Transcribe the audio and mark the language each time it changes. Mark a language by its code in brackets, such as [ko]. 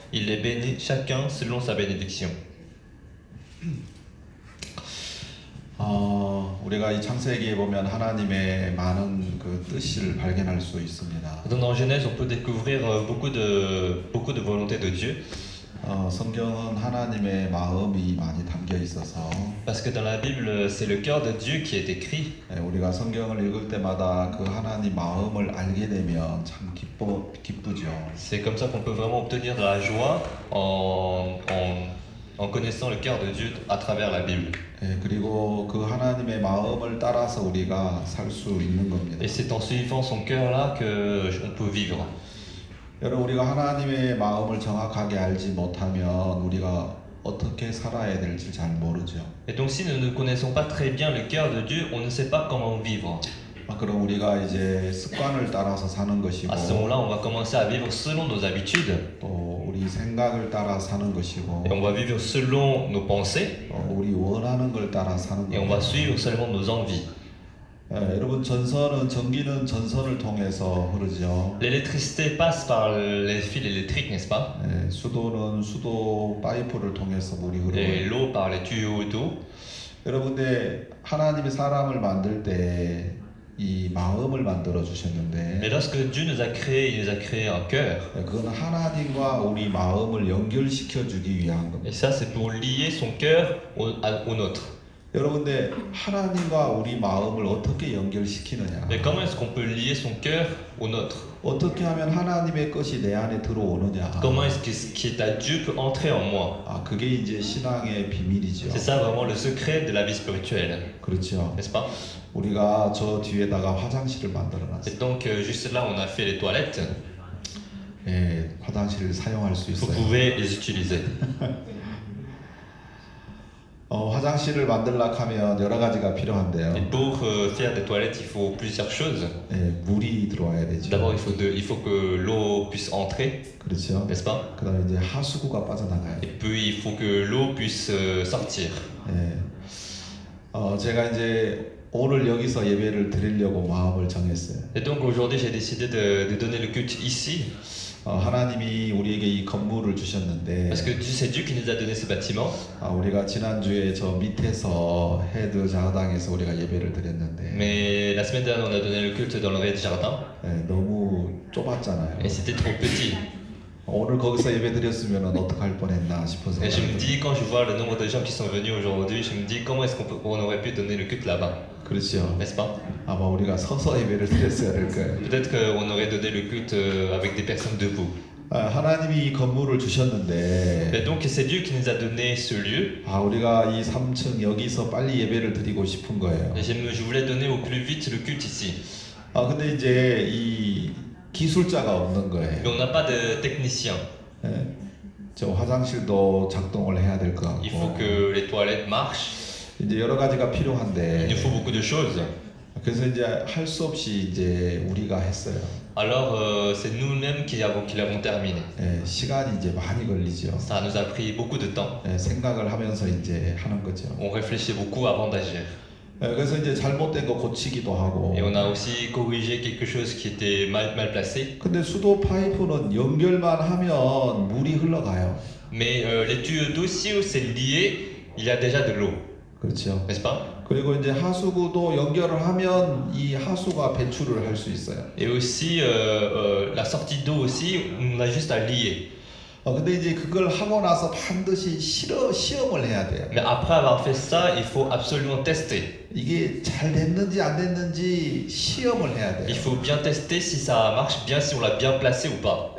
[fr] Il les bénit chacun selon sa bénédiction. Donc dans Genèse, on peut découvrir beaucoup de volonté de Dieu. [ko] 성경은 하나님의 마음이 많이 담겨 있어서. [fr] Parce que dans la Bible, c'est le cœur de Dieu qui est écrit. [ko] 네, 우리가 성경을 읽을 때마다 그 하나님 마음을 알게 되면 참 기쁘죠. [fr] C'est comme ça qu'on peut vraiment obtenir la joie en connaissant le cœur de Dieu à travers la Bible. [ko] 네, 그리고 그 하나님의 마음을 따라서 우리가 살 수 있는 겁니다. [fr] Et c'est en suivant son cœur là que on peut vivre. [ko] 여러분, 우리가 하나님의 마음을 정확하게 알지 못하면 우리가 어떻게 살아야 될지 잘 모르죠. [fr] Et donc si nous ne connaissons pas très bien le cœur de Dieu, on ne sait pas comment vivre. [ko] 아, 그럼 우리가 이제 습관을 따라서 사는 것이고. [fr] À ce moment-là, on va commencer à vivre selon nos habitudes. [ko] 또 우리 생각을 따라 사는 것이고. [fr] Et on va vivre selon nos pensées. [ko] 우리 원하는 걸 따라 사는 것이고. [fr] Et on va suivre selon nos envies. [ko] 예, 여러분 전선은 전기는 전선을 통해서 흐르죠. [fr] L'électricité passe par les fils électriques, n'est-ce pas? [ko] 예, 수도는 수도 파이프를 통해서 물이 흐르고. [fr] Et l'eau par les tuyaux d'eau. [ko] 여러분들 하나님이 사람을 만들 때 이 마음을 만들어 주셨는데. [fr] Mais lorsque Dieu nous a créé, il nous a créé un cœur. [ko] 예, 그건 하나님과 우리 마음을 연결시켜 주기 위한 겁니다. [fr] Et ça c'est pour lier son cœur au nôtre. [ko] 여러분들 하나님과 우리 마음을 어떻게 연결시키느냐? [fr] Mais comment est-ce qu'on peut lier son cœur au nôtre? [ko] 어떻게 하면 하나님의 것이 내 안에 들어오느냐? [fr] Comment est-ce que ce qui est à Dieu peut entrer en moi? [ko] 아, 그게 이제 신앙의 비밀이죠. [fr] C'est ça vraiment le secret de la vie spirituelle. [ko] 그렇죠. [fr] N'est-ce pas? [ko] 우리가 저 뒤에다가 화장실을 만들어 놨어요. [fr] Et donc juste là on a fait les toilettes. [ko] 네, 화장실을 사용할 수 있어요. [fr] Vous pouvez les utiliser. [ko] 화장실을 만들려고 하면 여러 가지가 필요한데요. [fr] Et pour faire des toilettes, il faut plusieurs choses. [ko] 네, 물이 들어와야 되죠. [fr] D'abord, il faut que l'eau puisse entrer. [ko] 그렇죠. [fr] N'est-ce pas? [ko] 그다음에 이제 하수구가 빠져나가요. [fr] Et puis, il faut que l'eau puisse sortir. [ko] 네. 제가 이제 오늘 여기서 예배를 드리려고 마음을 정했어요. [fr] Et donc aujourd'hui, j'ai décidé de donner le culte ici. [ko] 하나님이 우리에게 이 건물을 주셨는데 [fr] Parce que Dieu, c'est Dieu qui nous a donné ce bâtiment. [ko] 아, 우리가 지난주에 저 밑에서 헤드 자당에서 우리가 예배를 드렸는데 [fr] Mais la semaine dernière, on a donné le culte dans le red jardin. [ko] 네, 너무 좁았잖아요. [fr] Et c'était trop petit. [ko] 오늘 거기서 예배 드렸으면 어떻게 할 뻔했나 싶어서 [fr] Et je me dis quand je vois le nombre de gens qui sont venus aujourd'hui, je me dis comment est-ce qu'on aurait pu donner le culte là-bas. [ko] 그렇죠. [fr] N'est-ce pas? [ko] 아마 우리가 서서 예배를 드렸어야 될 거예요. [fr] Peut-être qu'on aurait donné le culte avec des personnes debout. [ko] 아, 하나님이 이 건물을 주셨는데 [fr] Mais donc c'est Dieu qui nous a donné ce lieu. [ko] 아, 우리가 이 3층 여기서 빨리 예배를 드리고 싶은 거예요. [fr] Je voulais donner au plus vite le culte ici. [ko] 아, 근데 이제 이 기술자가 없는 거예요. [fr] Mais on n'a pas de technicien. [ko] 네. 저 화장실도 작동을 해야 될 거고. [fr] Il faut que les toilettes marchent. [ko] 이제 여러 가지가 필요한데. [fr] Il faut beaucoup de choses. [ko] 그래서 이제 할 수 없이 이제 우리가 했어요. [fr] Alors c'est nous-mêmes qui l'avons terminé. [ko] 네, 시간이 이제 많이 걸리죠. [fr] Ça nous a pris beaucoup de temps. [ko] 네, 생각을 하면서 이제 하는 거죠. [fr] On réfléchit beaucoup avant d'agir. [ko] 네, 그래서 이제 잘못된 거 고치기도 하고. [fr] Et on a aussi corrigé quelque chose qui était mal placé. [ko] 근데 수도 파이프는 연결만 하면 물이 흘러가요. [fr] Mais les tuyaux d'eau si c'est lié, il y a déjà de l'eau. [ko] 그렇죠. [fr] N'est-ce pas? [ko] 그리고 이제 하수구도 연결을 하면 이 하수가 배출을 할 수 있어요. [fr] Et aussi la sortie d'eau aussi, on a juste à lier. [ko] 어, 근데 이제 그걸 하고 나서 반드시 시험을 해야 돼요. [fr] Mais après avoir fait ça, il faut absolument tester. [ko] 이게 잘 됐는지 안 됐는지 시험을 해야 돼요. [fr] Il faut bien tester si ça marche bien, si on l'a bien placé ou pas.